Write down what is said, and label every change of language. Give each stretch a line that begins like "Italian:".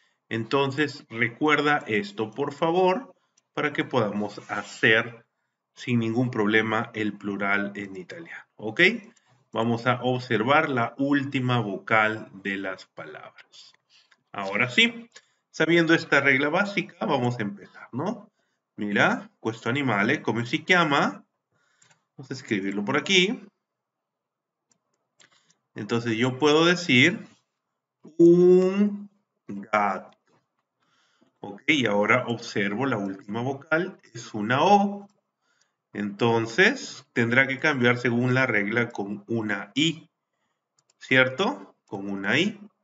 Spanish: Entonces, recuerda esto, por favor, para que podamos hacer sin ningún problema el plural en italiano. ¿Ok? Vamos a observar la última vocal de las palabras. Ahora sí. Sabiendo esta regla básica, vamos a empezar, ¿no? Mira,
Italian: questo animale, come si chiama?
Spanish: Vamos a escribirlo por aquí. Entonces yo puedo decir un gatto. Ok, y ahora observo la última vocal, es una O. Entonces tendrá que cambiar según la regla con una I. ¿Cierto? Con una I.